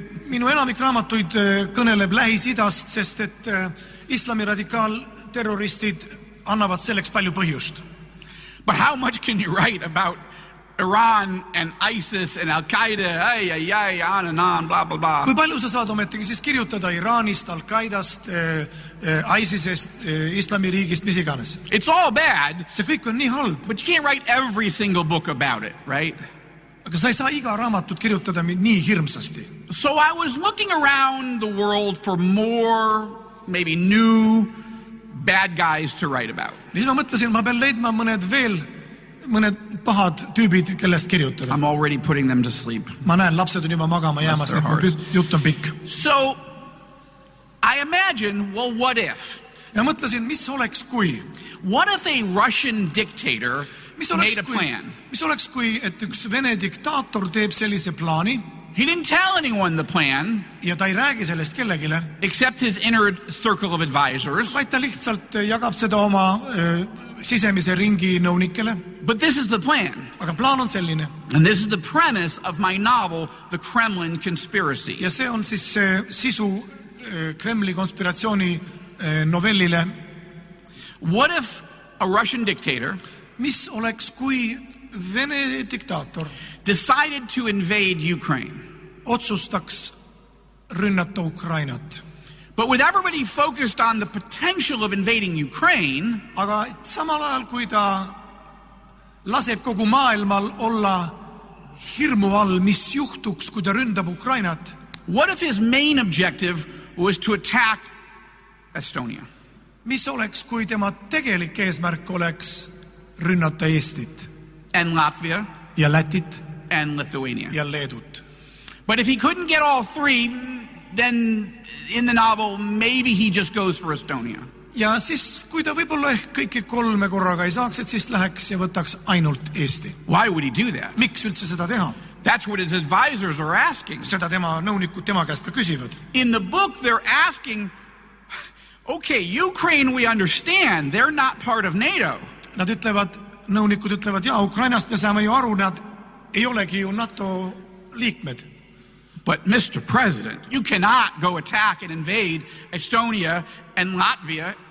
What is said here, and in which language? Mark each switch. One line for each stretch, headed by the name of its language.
Estonian: Minu enamik raamatuid kõneleb Lähis-Idast, sest et islami radikaal terroristid annavad selleks palju põhjust.
English: But how much can you write about Iran and ISIS and Al-Qaeda, ay, ay, ay, on and on, blah, blah, blah.
Estonian: Kui palju sa saad ometegi siis kirjutada Iranist, Al-Qaedast, ISISest, islamiriigist, mis iganes?
English: It's all bad.
Estonian: See kõik on nii halb.
English: But you can't write every single book about it, right?
Estonian: Aga sa ei saa iga raamatut kirjutada nii hirmsasti.
English: So I was looking around the world for more, maybe new bad guys to write about.
Estonian: Siis ma mõtlesin, ma pean leidma mõned pahad tüübid, kellest kirjutada.
English: I'm already putting them to sleep.
Estonian: Ma näen, lapsed on juba magama jäämas, et jutt on pikk.
English: So, I imagine, well, what if?
Estonian: Ja mõtlesin, mis oleks kui?
English: What if a Russian dictator made a plan?
Estonian: Mis oleks kui, et üks Vene diktaator teeb sellise plaani?
English: He didn't tell anyone the plan.
Estonian: Ja ta ei räägi sellest kellegile.
English: Except his inner circle of advisors.
Estonian: Vaid ta lihtsalt jagab seda oma sisemise ringi nõunikele.
English: But this is the plan.
Estonian: Aga plaan on selline.
English: And this is the premise of my novel, The Kremlin Conspiracy.
Estonian: Ja see on siis sisu Kremli konspiratsiooni novellile.
English: What if a Russian dictator?
Estonian: Mis oleks kui Vene diktaator?
English: Decided to invade Ukraine.
Estonian: Otsustaks rünnata Ukrainat.
English: But with everybody focused on the potential of invading Ukraine,
Estonian: aga samal ajal kui ta laseb kogu maailmal olla hirmu all, mis juhtuks, kui ta ründab Ukrainat.
English: What if his main objective was to attack Estonia?
Estonian: Mis oleks, kui tema tegelik eesmärk oleks rünnata Eestit?
English: And Latvia?
Estonian: Ja Lätit?
English: And Lithuania.
Estonian: Ja Leedut.
English: But if he couldn't get all three, then in the novel, maybe he just goes for Estonia.
Estonian: Ja siis, kui ta võib-olla ehk kõike kolme korraga ei saaks, et siis läheks ja võtaks ainult Eesti.
English: Why would he do that?
Estonian: Miks üldse seda teha?
English: That's what his advisors are asking.
Estonian: Seda tema nõunikud tema käest ka küsivad.
English: In the book, they're asking, okay, Ukraine, we understand, they're not part of NATO.
Estonian: Nad ütlevad, nõunikud ütlevad, jah, Ukrainast me saame ju aru, nad ei olegi ju NATO liikmed.
English: But Mr. President, you cannot go attack and invade Estonia and Latvia